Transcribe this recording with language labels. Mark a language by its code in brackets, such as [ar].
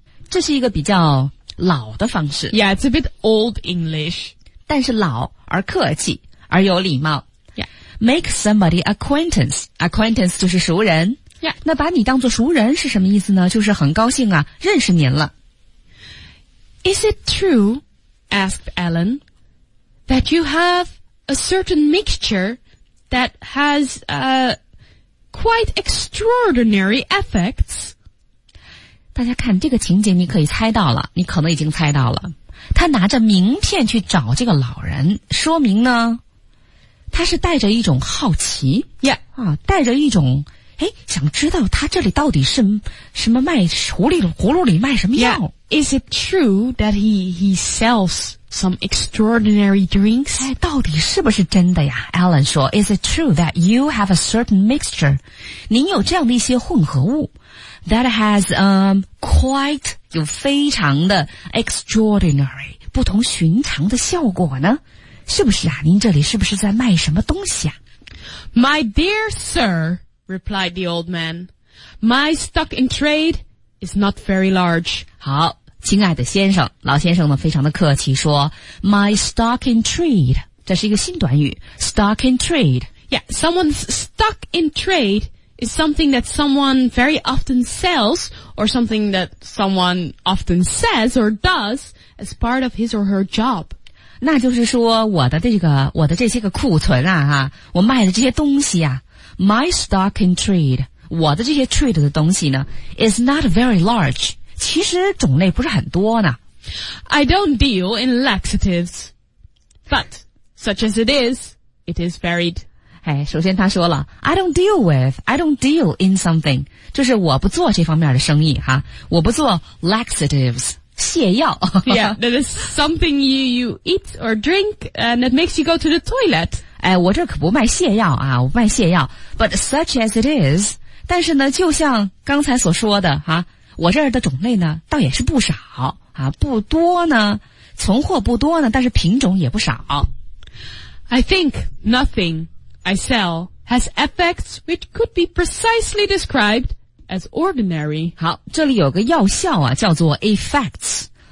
[zh] 这是一个比较老的方式。 [en] Yeah, it's a bit old English. [zh] 但是老而客气而有礼貌。 [en] Make somebody acquaintance. [zh] Acquaintance 就是熟人。 [en] Yeah. [zh] 那把你当作熟人是什么意思呢？就是很高兴啊，认识您了。 [en] Is it true, asked Alan, that you have a certain mixture that has quite extraordinary effects? [zh] 大家看这个情节，你可以猜到了，你可能已经猜到了。他拿着名片去找这个老人，说明呢他是带着一种好奇 [en] ，Yeah， [zh] 啊，带着一种，哎，想知道他这里到底是什么卖葫芦里卖什么药 [en] ？Yeah，Is it true that he sells some extraordinary drinks？ [zh] 哎，到底是不是真的呀 [en] ？Alan [zh] 说 [en] ，Is it true that you have a certain mixture？您有这样的一些混合物 ， that has quite 有非常的 extraordinary 不同寻常的效果呢？是不是啊？ [zh] 您这里是不是在卖什么东西啊 [en] ？My dear sir, replied the old man, my stock in trade is not very large. [zh] 好，亲爱的先生，老先生呢，非常的客气说 ， [en] my stock in trade， [zh] 这是一个新短语 ， [en] stock in trade。 Yeah, someone's stock in trade is something that someone very often sells or something that someone often says or does as part of his or her job. [zh] 那就是说我的这些个库存啊，哈，我卖的这些东西啊 , [en] my stock in trade, [zh] 我的这些 trade 的东西呢 , [en] is not very large, [zh] 其实种类不是很多呢。 [en] I don't deal in laxatives, but such as it is varied. [zh] 哎，首先他说了 [en] I don't deal in something, [zh] 就是我不做这方面的生意哈，我不做 laxatives。泻药 [en] Yeah, that is something you eat or drink and it makes you go to the toilet. [zh] 哎，我这可不卖泻药啊，我卖泻药。 [en] But such as it is, [zh] 但是呢，就像刚才所说的啊，我这儿的种类呢，倒也是不少啊，不多呢，存货不多呢，但是品种也不少。 [en] I think nothing I sell has effects which could be precisely described. As ordinary. [zh] 好，这里有个药效啊，叫做 effects.